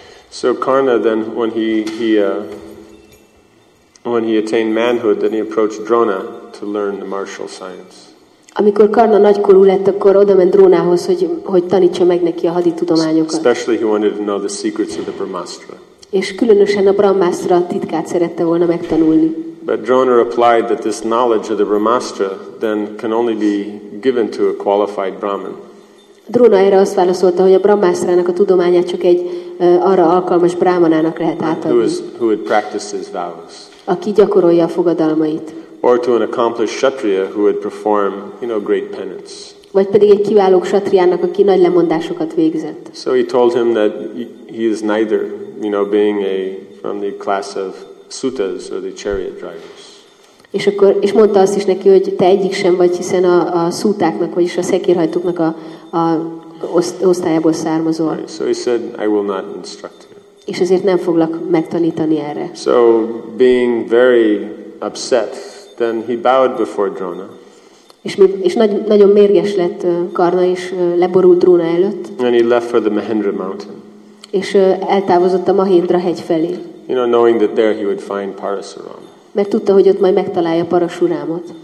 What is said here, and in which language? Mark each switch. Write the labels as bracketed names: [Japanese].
[English] So Karna, then when he attained manhood, then he approached Drona to learn the martial science. [Hungarian] Amikor Karna nagykorú lett, akkor odament Drónához, hogy tanítsa meg neki a haditudományokat. [English] Especially he wanted to know the secrets of the Brahmastra. [Hungarian] És különösen a Brahmastra titkát szerette volna megtanulni. [English] But Drona replied that this knowledge of the Brahmastra then can only be given to a qualified Brahmin. [Hungarian] Drona erre azt válaszolta, hogy a Brahmastrának a tudományát csak egy arra alkalmas brámanának lehet átadni. [English] Who would practice his vows. [Hungarian] Aki gyakorolja a fogadalmait. [English] Or to an accomplished kshatriya who would perform, you know, great penance. [Hungarian] Vagy pedig egy kiváló kshatriának, aki nagy lemondásokat végzett. [English] So he told him that he is neither, you know, being a from the class of sutas or the chariot drivers. [Hungarian] És mondta azt is neki, hogy te egyik sem vagy, hiszen a szútáknak, vagyis a szekérhajtóknak a osztályából származol. [English] Right. So he said, I will not instruct you. [Hungarian] És ezért nem foglak megtanítani erre. [English] So being very upset, then he bowed before Drona. [Hungarian] És nagyon mérges lett Karna, és leborult Drona előtt. [English] And he left for the Mahendra mountain. [Hungarian] És eltávozott a Mahendra hegy felé. [English] You know, knowing that there he would find Parasuram. [Hungarian] Mert tudta, hogy ott majd megtalálja Parasurámot.